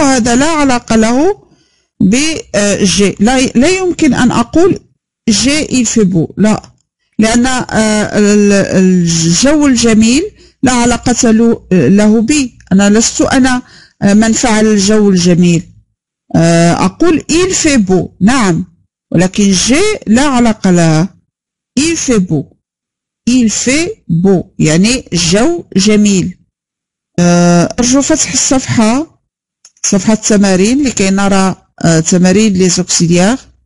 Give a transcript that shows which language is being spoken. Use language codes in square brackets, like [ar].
[ar] هذا لا علاقة له ب j'ai. لا, لا يمكن أن أقول [fr] j'ai il fait beau. [ar] لا. لأن الجو الجميل لا علاقة له بي. أنا لست أنا من فعل الجو الجميل. أقول [fr] il fait beau. [ar] نعم. ولكن j'ai لا علاقة لها. [fr] Il fait beau. Il fait beau. [ar] يعني جو جميل. أرجو فتح الصفحة. صفحة التمارين لكي نرى تمارين les auxiliaires.